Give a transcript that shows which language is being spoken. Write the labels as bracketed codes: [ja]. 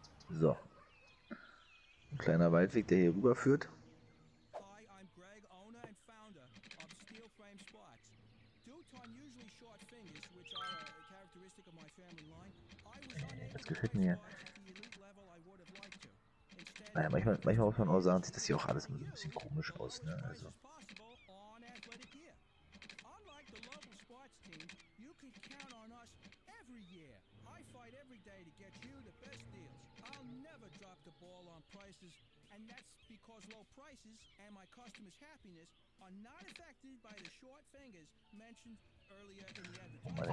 [de] So, ein kleiner Waldweg, der hier rüber führt. [en] Hi, I'm Greg, owner and founder of Steel Frame Sports. Due to unusually short fingers, which are a characteristic of my family line, I was unable to get to the elite level I would have liked to. [de] Naja, manchmal muss man auch sagen, sieht das hier auch alles ein bisschen komisch aus, ne? Also. [en] Unlike the local sports team, you can count on us every year. I fight every day to get you the best deals. I'll never drop the ball on prices, and that's because low prices and my customers' happiness are not affected by the short fingers mentioned earlier in the advertisement.